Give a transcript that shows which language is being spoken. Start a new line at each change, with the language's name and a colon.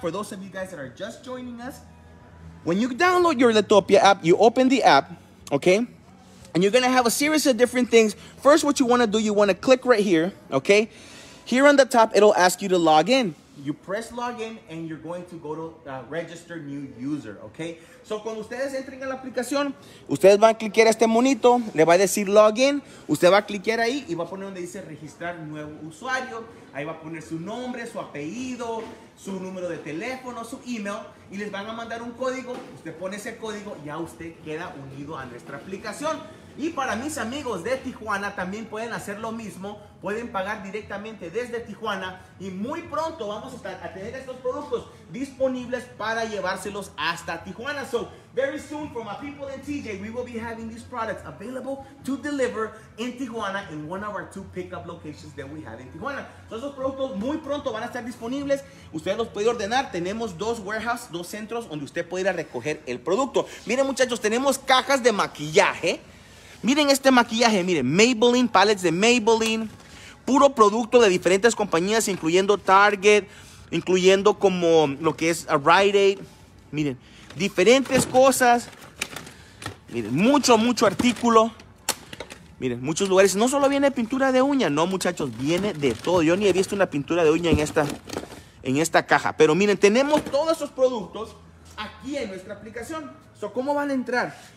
English: For those of you guys that are just joining us, when you download your Letopia app, you open the app, okay? And you're gonna have a series of different things. First, what you wanna do, you wanna click right here, okay? Here on the top, it'll ask you to log in. You press log in and you're going to go to register new user, okay?
Spanish: So, cuando ustedes entren a la aplicación, ustedes van a cliquear este monito, le va a decir log in, usted va a cliquear ahí y va a poner donde dice registrar nuevo usuario. Ahí va a poner su nombre, su apellido, su número de teléfono, su email y les van a mandar un código. Usted pone ese código y ya usted queda unido a nuestra aplicación. Y para mis amigos de Tijuana, también pueden hacer lo mismo. Pueden pagar directamente desde Tijuana. Y muy pronto vamos a tener estos productos disponibles para llevárselos hasta Tijuana.
English: So, very soon for my people in TJ, we will be having these products available to deliver in Tijuana in one of our two pickup locations that we have in Tijuana.
Spanish: So, esos productos muy pronto van a estar disponibles. Usted los puede ordenar. Tenemos dos warehouse, dos centros donde usted puede ir a recoger el producto. Miren, muchachos, tenemos cajas de maquillaje. Miren este maquillaje, miren, Maybelline, palettes de Maybelline, puro producto de diferentes compañías, incluyendo Target, incluyendo como lo que es Rite Aid, miren, diferentes cosas, miren, mucho artículo, miren, muchos lugares, no solo viene pintura de uña, no muchachos, viene de todo, yo ni he visto una pintura de uña en esta caja, pero miren, tenemos todos esos productos aquí en nuestra aplicación, so, ¿cómo van a entrar?